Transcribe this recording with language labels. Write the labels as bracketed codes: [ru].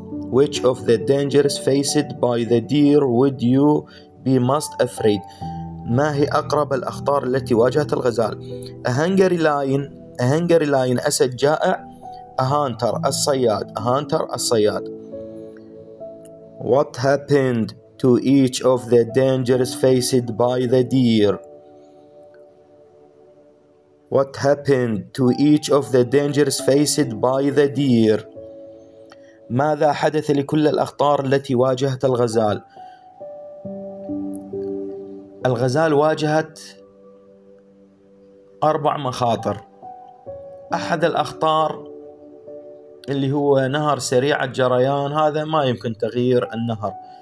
[en] Which of the dangers faced by the deer would you be most afraid? [ar] ما هي أقرب الأخطار التي واجهت الغزال؟ [en] A hungry lion. [ar] أسد جائع. [en] A hunter. [ar] الصياد. [en] What happened to each of the dangers faced by the deer? What happened to each of the dangers faced by the deer? [ar] ماذا حدث لكل الأخطار التي واجهت الغزال؟ الغزال واجهت أربع مخاطر. أحد الأخطار اللي هو نهر سريع الجريان، هذا ما يمكن تغيير النهر.